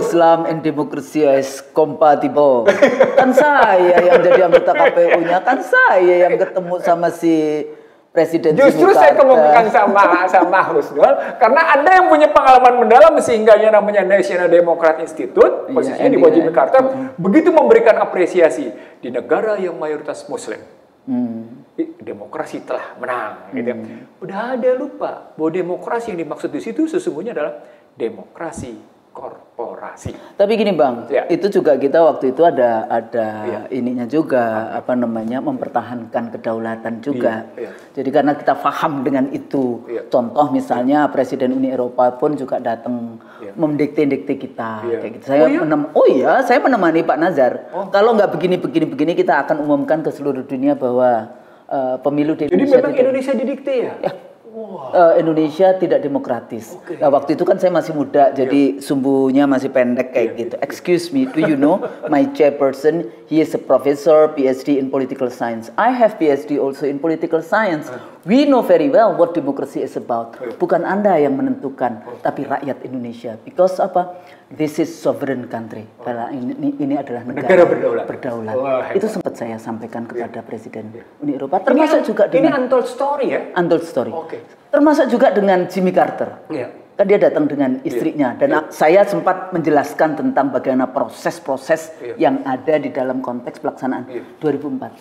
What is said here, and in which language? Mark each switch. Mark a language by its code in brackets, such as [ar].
[en] Islam and democracy is compatible. [id] Kan saya yang jadi anggota KPU-nya, kan saya yang ketemu sama si Presiden justru saya kemukakan sama Husnul karena Anda yang punya pengalaman mendalam sehingga yang namanya National Democrat Institute posisinya di bawah Jimmy Carter begitu memberikan apresiasi di negara yang mayoritas muslim. Demokrasi telah menang gitu. Udah ada lupa bahwa demokrasi yang dimaksud di situ sesungguhnya adalah demokrasi korporasi. Tapi gini Bang, itu juga kita waktu itu ada ininya juga, apa namanya, mempertahankan kedaulatan juga. Jadi karena kita paham dengan itu, contoh misalnya Presiden Uni Eropa pun juga datang mendikte-dikte kita. Kayak gitu. Saya menemani Pak Nazar. Kalau nggak begini-begini-begini, kita akan umumkan ke seluruh dunia bahwa pemilu di Indonesia. Jadi memang Indonesia didikte ya? Indonesia tidak demokratis. Okay. Nah, waktu itu kan saya masih muda, jadi sumbunya masih pendek kayak gitu. [en] Excuse me, do you know my chairperson? He is a professor, PhD in political science. I have PhD also in political science. We know very well what democracy is about. [id] Bukan Anda yang menentukan, tapi rakyat Indonesia. [en] Because apa? This is sovereign country. [id] Ini adalah negara berdaulat. Itu sempat saya sampaikan kepada Presiden Uni Eropa. Termasuk juga dengan [en] untold story ya. Untold story. [id] Termasuk juga dengan Jimmy Carter. Kan dia datang dengan istrinya dan saya sempat menjelaskan tentang bagaimana proses-proses yang ada di dalam konteks pelaksanaan 2004.